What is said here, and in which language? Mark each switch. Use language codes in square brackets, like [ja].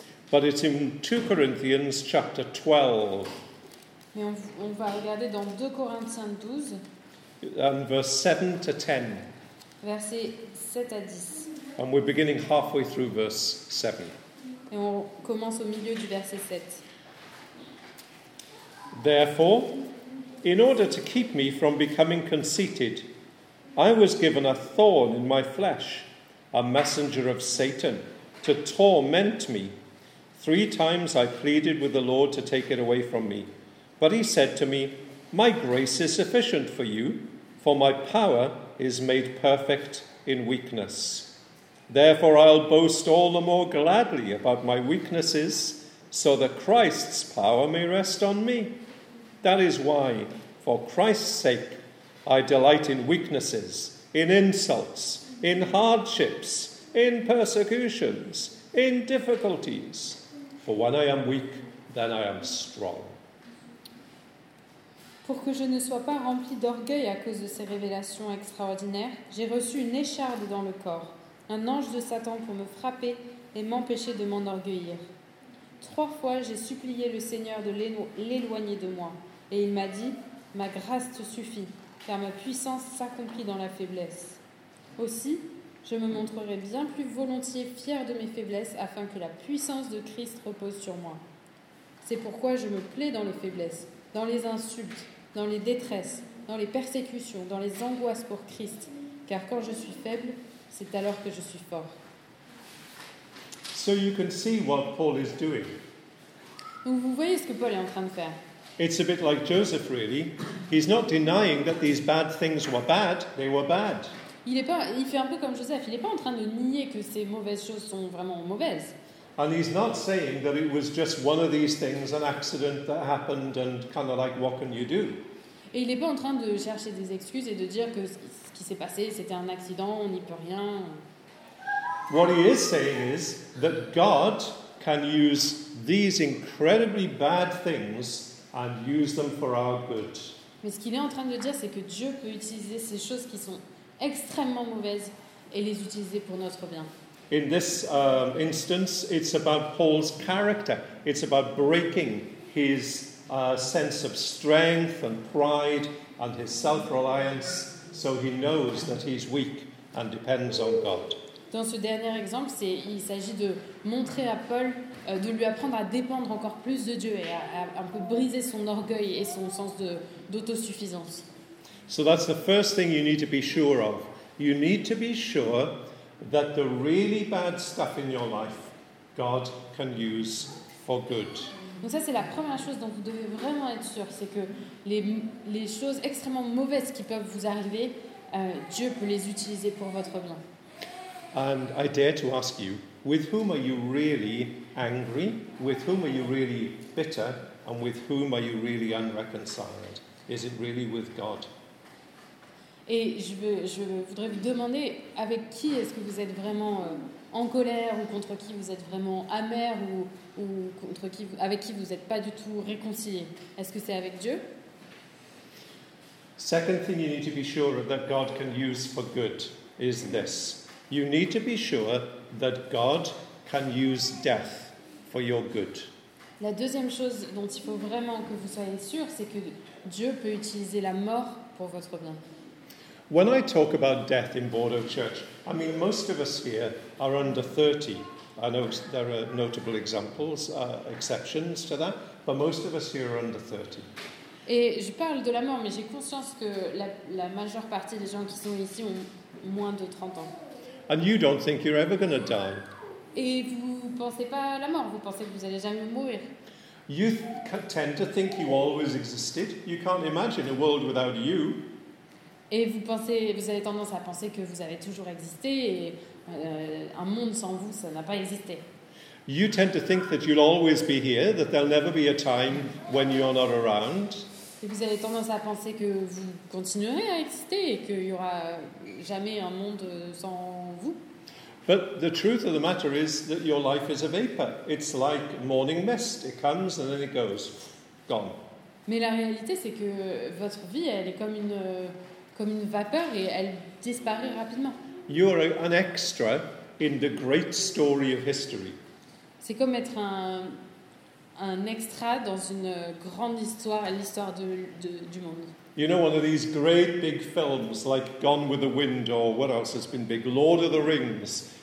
[en] But it's in 2 Corinthians chapter 12. [fr] Et on va regarder dans 2 Corinthiens 12, [en] verse 7 to 10. [fr] Versets 7 à 10. [en] And we're beginning halfway through verse 7. [fr] Et on commence au milieu du verset 7. [en] Therefore, in order to keep me from becoming conceited, I was given a thorn in my flesh, a messenger of Satan, to torment me. Three times I pleaded with the Lord to take it away from me. But he said to me, my grace is sufficient for you, for my power is made perfect in weakness. Therefore I'll boast all the more gladly about my weaknesses, so that Christ's power may rest on me. That is why, for Christ's sake, I delight in weaknesses, in insults, in hardships, in persecutions, in difficulties. For when I am weak, then I am strong. [fr] Pour que je ne sois pas rempli d'orgueil à cause de ces révélations extraordinaires, j'ai reçu une écharde dans le corps, un ange de Satan pour me frapper et m'empêcher de m'enorgueillir. Trois fois, j'ai supplié le Seigneur de l'éloigner de moi, et il m'a dit, ma grâce te suffit, car ma puissance s'accomplit dans la faiblesse. Aussi, je me montrerai bien plus volontiers fier de mes faiblesses, afin que la puissance de Christ repose sur moi. C'est pourquoi je me plais dans les faiblesses, dans les insultes, dans les détresses, dans les persécutions, dans les angoisses pour Christ. Car quand je suis faible, c'est alors que je suis fort. [en] So you can see what Paul is doing. [fr] Donc vous voyez ce que Paul est en train de faire. [en] It's a bit like Joseph, really. He's not denying that these bad things were bad. They were bad. [fr] Il fait un peu comme Joseph. Il n'est pas en train de nier que ces mauvaises choses sont vraiment mauvaises. [en] And he's not saying that it was just one of these things, an accident that happened, and kind of like, what can you do? [fr] Et il n'est pas en train de chercher des excuses et de dire que ce qui s'est passé, c'était un accident, on n'y peut rien. [en] What he is saying is that God can use these incredibly bad things and use them for our good. [fr] Mais ce qu'il est en train de dire, c'est que Dieu peut utiliser ces choses qui sont extrêmement mauvaises et les utiliser pour notre bien. [en] In this instance, it's about Paul's character. It's about breaking his sense of strength and pride and his self-reliance, so he knows that he's weak and depends on God. [fr] Dans ce dernier exemple, il s'agit de montrer à Paul, de lui apprendre à dépendre encore plus de Dieu et à un peu briser son orgueil et son sens d'autosuffisance. [en] So that's the first thing you need to be sure of. You need to be sure that the really bad stuff in your life, God can use for good. [fr] Donc ça, c'est la première chose dont vous devez vraiment être sûr, c'est que les choses extrêmement mauvaises qui peuvent vous arriver, Dieu peut les utiliser pour votre bien. [en] And I dare to ask you, with whom are you really angry? With whom are you really bitter? And with whom are you really unreconciled? Is it really with God? [fr] Et je voudrais vous demander, avec qui est-ce que vous êtes vraiment en colère, ou contre qui vous êtes vraiment amer, ou contre qui vous, avec qui vous n'êtes pas du tout réconcilié? Est-ce que c'est avec Dieu? [en] Second thing you need to be sure of that God can use for good is this. You need to be sure that God can use death for your good. [fr] La deuxième chose dont il faut vraiment que vous soyez sûr, c'est que Dieu peut utiliser la mort pour votre bien. [en] When I talk about death in Bordeaux Church, I mean most of us here are under 30. I know there are notable examples, exceptions to that, but most of us here are under 30. [fr] Et je parle de la mort, mais j'ai conscience que la majeure partie des gens qui sont ici ont moins de 30 ans. [en] And you don't think you're ever going to die. [fr] Et vous pensez pas à la mort, vous pensez que vous allez jamais mourir. [en] You tend to think you always existed. You can't imagine a world without you. [fr] Et vous avez tendance à penser que vous avez toujours existé et un monde sans vous, ça n'a pas existé. [en] You tend to think that you'll always be here, that there'll never be a time when you're not around. [fr] Et vous avez tendance à penser que vous continuerez à exister et qu'il n'y aura jamais un monde sans vous. [en] But the truth of the matter is that your life is a vapor. It's like morning mist. It comes and then it goes. Gone. [fr] Mais la réalité, c'est que votre vie, elle est comme une vapeur et elle disparaît rapidement. [en] You're an extra in the great story of history. [fr] C'est comme être un extra dans une grande histoire, l'histoire du monde. [en] You know, one of these great big films like Gone with the Wind or what else has been big, Lord of the Rings.